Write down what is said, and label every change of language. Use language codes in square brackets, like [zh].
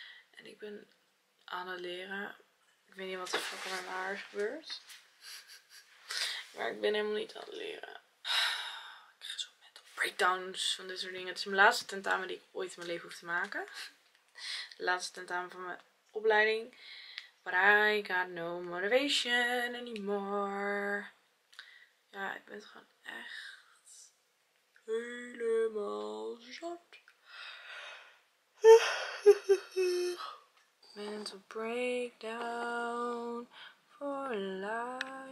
[nl] En ik ben aan het leren. Ik weet niet wat de fuck er met mijn haar is gebeurd. Maar ik ben helemaal niet aan het leren. Ik krijg zo [en] mental breakdowns [nl] van dit soort dingen. Het is mijn laatste tentamen die ik ooit in mijn leven hoef te maken. De laatste tentamen van mijn opleiding. [en] But I got no motivation anymore. [nl] Ja, ik ben het gewoon echt helemaal zat. [en] Mental breakdown for life.